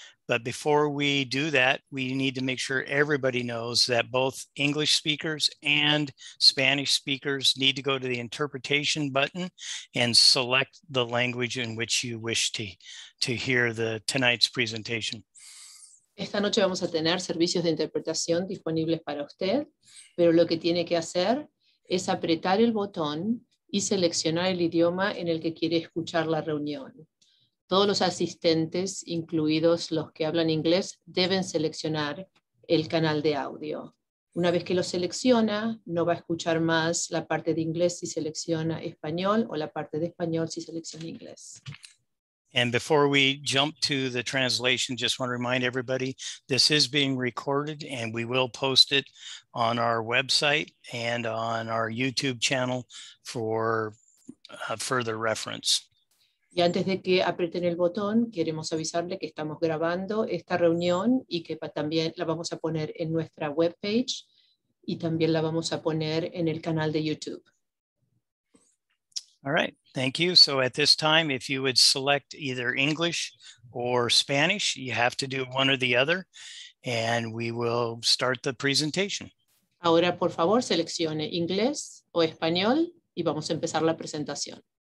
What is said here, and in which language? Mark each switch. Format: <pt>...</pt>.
<en>But before we do that, we need to make sure everybody knows that both English speakers and Spanish speakers need to go to the interpretation button and select the language in which you wish to hear the tonight's presentation.</en> <es>Esta noche vamos a tener servicios de interpretación disponibles para usted, pero lo que tiene que hacer es apretar el botón y seleccionar el idioma en el que quiere escuchar la reunión. Todos los asistentes, incluidos los que hablan inglés, deben seleccionar el canal de audio. Una vez que lo selecciona, no va a escuchar más la parte de inglés si selecciona español o la parte de español si selecciona inglés.</es> <en>And before we jump to the translation, just want to remind everybody, this is being recorded and we will post it on our website and on our YouTube channel for further reference.</en> <es>Y antes de que aprieten el botón, queremos avisarle que estamos grabando esta reunión y que también la vamos a poner en nuestra webpage y también la vamos a poner en el canal de YouTube.</es> <en>All right, thank you. So at this time, if you would select either English or Spanish, you have to do one or the other, and we will start the presentation.</en> <es>Ahora, por favor, seleccione inglés o español y vamos a empezar la presentación.</es>